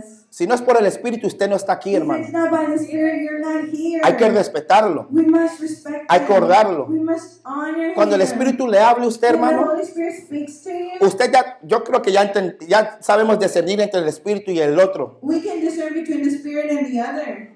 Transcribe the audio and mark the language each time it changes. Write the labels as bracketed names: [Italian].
[Spanish] Si no es por el espíritu, usted no está aquí, hermano. [English] It's not by the spirit, you're not here. [Spanish] Hay que respetarlo. [English] We must respect [Spanish] Hay que honrarlo. [English] We must honor [Spanish] Cuando [English] him. [Spanish] El espíritu le hable a usted, [English] When [Spanish] hermano, [English] the Holy Spirit speaks to you, [Spanish] usted ya, yo creo que ya sabemos discernir entre el espíritu y el otro. [English] We can discern between the spirit and the other.